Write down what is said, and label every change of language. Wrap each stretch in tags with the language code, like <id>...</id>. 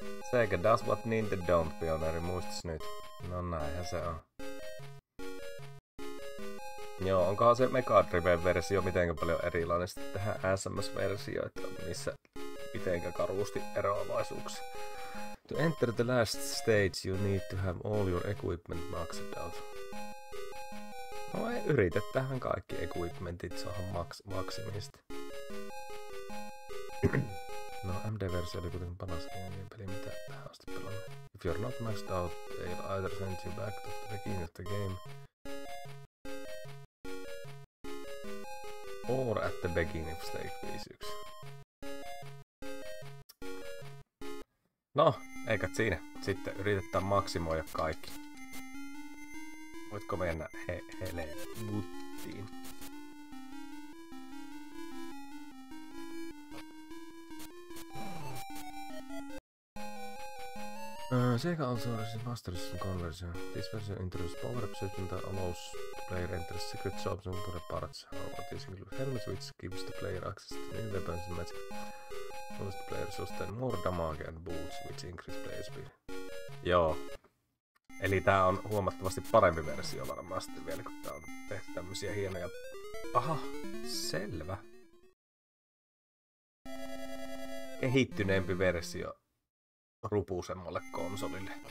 <en>Sega does what Nintendo don't,</en> <fi>Pioneeri, muistis nyt. No näinhän se on. Joo, onkohan se Mega Drive-versio mitenkä paljon erilainen sitten tähän SMS-versio, että missä mitenkä karusti eroavaisuuksia.</fi> <en>To enter the last stage, you need to have all your equipment maxed out.</en> <fi>No ei yritä tähän kaikki equipmentit saada maksimista. No MD-versio oli kuitenkin paras game peli, mitä tähän asti pelannut.</fi> <en>If you're not maxed out, they'll either send you back to the beginning of the game. Or at the beginning of stage 5-6.</en> <fi>No, eikä siinä. Sitten yritetään maksimoida kaikki. Voitko mennä heleen muttiin?</fi> <en>Sega also received Master's conversion. This version introduced power-up system that allows the player enter secret shops and other parts. However, this includes helmets which gives the player access to new weapons and magic. Allows the player sustain more damage and boots which increase player speed.</en> <fi>Joo. Eli tää on huomattavasti parempi versio varmasti vielä, kun tää on tehty tämmösiä hienoja... Aha, selvä. Kehittyneempi versio rupuusemmalle konsolille.</fi>